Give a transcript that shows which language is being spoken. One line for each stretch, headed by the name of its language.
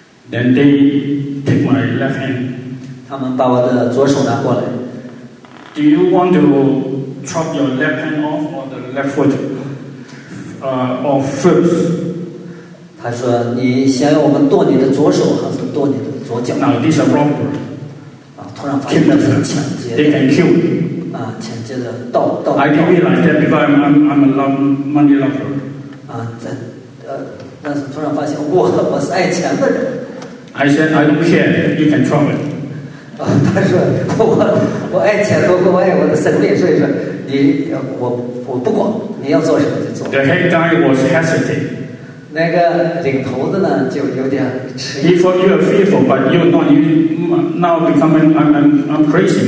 English: Then they take my left hand.
Chinese: 他们把我的左手拿过来。
English: Do you want to chop your left hand off or the left foot? Off first.
Chinese: 他说：“你想要我们剁你的左手，还是剁你的左脚？”
English: Now this is wrong.
Chinese: 啊，突然发现那是抢劫。
English: They can kill.
Chinese: 啊，抢劫的盗盗。
English: I didn't realize that because I'm a love money lover.
Chinese: 啊，在但是突然发现我是爱钱的人。
English: I said I don't care. You can try it.
Chinese: 他说我爱钱多过爱我的生命，所以说你我不管你要做什么就做。
English: The head guy was hesitant.
Chinese: 那个领头的呢就有点迟疑。
English: He thought you are fearful, but you're not. You now becoming I'm crazy.